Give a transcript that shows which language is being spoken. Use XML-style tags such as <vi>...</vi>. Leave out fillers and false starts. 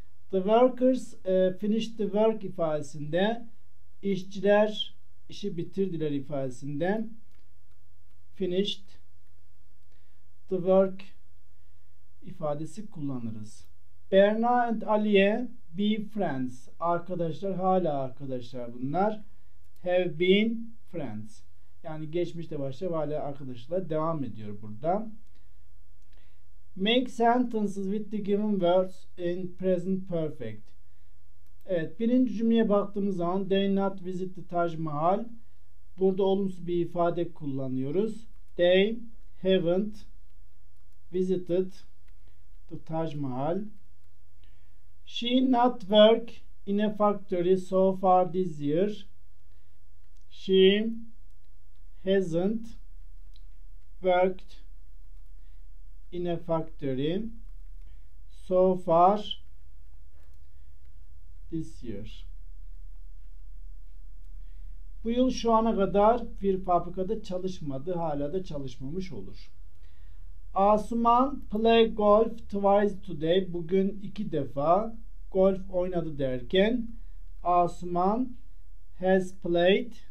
<en>The workers finished the work</en> <tr>ifadesinde işçiler işi bitirdiler ifadesinde</tr> <en>finished the work</en> <tr>ifadesi kullanırız.</tr> <en>Berna and Aliye be friends.</en> <tr>Arkadaşlar hala arkadaşlar bunlar.</tr> <en>Have been friends.</en> <tr>Yani geçmişte başlayıp hala arkadaşlar devam ediyor burada.</tr> <en>Make sentences with the given words in present perfect.</en> <tr>Evet, birinci cümleye baktığımız zaman</tr> <en>they not visit the Taj Mahal.</en> <tr>Burada olumsuz bir ifade kullanıyoruz.</tr> <en>They haven't visited the Taj Mahal. She not work in a factory so far this year. She hasn't worked in a factory so far this year.</en> <tr>Bu yıl şu ana kadar bir fabrikada çalışmadı, hala da çalışmamış olur.</tr> <en>Asuman play golf twice today.</en> <tr>Bugün iki defa golf oynadı derken</tr> <en>Asuman has played.</en>